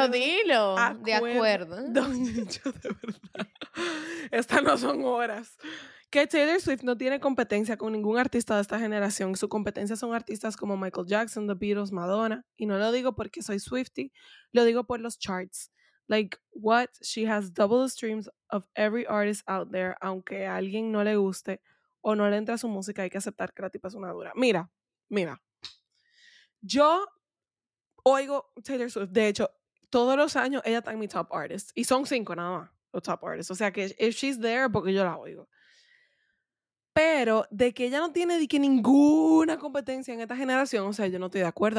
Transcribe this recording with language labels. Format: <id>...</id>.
<es>Pero dilo. De acuerdo. Yo de verdad. Estas no son horas. Que Taylor Swift no tiene competencia con ningún artista de esta generación. Su competencia son artistas como Michael Jackson, The Beatles, Madonna. Y no lo digo porque soy Swiftie. Lo digo por los charts.</es> <en>Like, what? She has double the streams of every artist out there.</en> <es>Aunque a alguien no le guste o no le entre a su música, hay que aceptar que la tipa es una dura. Mira. Yo oigo Taylor Swift. De hecho, todos los años ella está en mi top artist. Y son 5 nada más. Los top artists. O sea que</es> <en>if she's there,</en> <es>porque yo la oigo. Pero de que ella no tiene que ninguna competencia en esta generación, o sea, yo no estoy de acuerdo.</es>